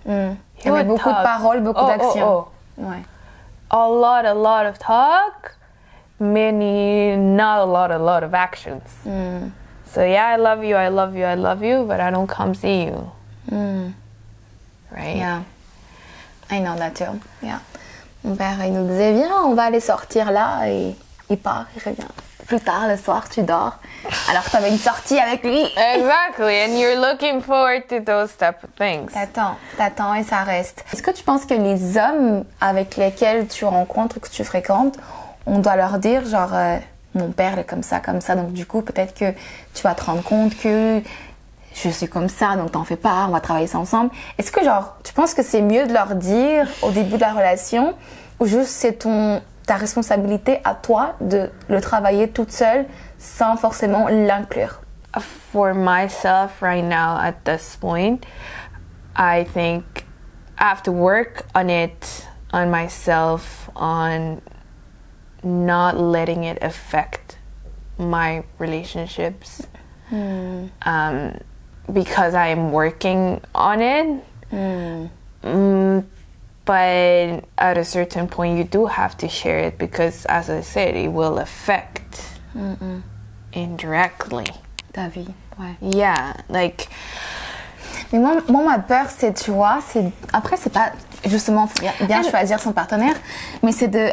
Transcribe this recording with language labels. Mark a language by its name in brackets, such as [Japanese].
[French] Mm. [English] He would [French] beaucoup [English] talk. [French] De paroles, beaucoup d'actions. Oh, oh. Ouais. [English] A lot of talk, many, not a lot, of actions. Mm. So yeah, I love you, I love you, I love you, but I don't come see you. Mm. Right? Yeah. I know that too. Yeah. [French] Mon père, il nous disait, viens, on va aller sortir là, et il part, il revient. Plus tard, le soir, tu dors. Alors, t'avais une sortie avec lui. [English] Exactly, and you're looking forward to those type of things. [French] T'attends et ça reste. Est-ce que tu penses que les hommes avec lesquels tu rencontres, que tu fréquentes, on doit leur dire, genre, mon père est comme ça, donc du coup, peut-être que tu vas te rendre compte que je suis comme ça, donc t'en fais pas, on va travailler ça ensemble. Est-ce que, genre, tu penses que c'est mieux de leur dire au début de la relation, ou juste c'est ta responsabilité à toi de le travailler toute seule sans forcément l'inclure? [English] For myself right now at this point, I think I have to work on it, on myself, on not letting it affect my relationships. Mm. Because I'm working on it. Mm. But at a certain point, you do have to share it, because, as I said, it will affect indirectly. [French] Ta vie, ouais. [English] Yeah, like... [French] Mais moi, ma peur, c'est, tu vois, c'est... Après, c'est pas justement bien choisir son partenaire, mais c'est de...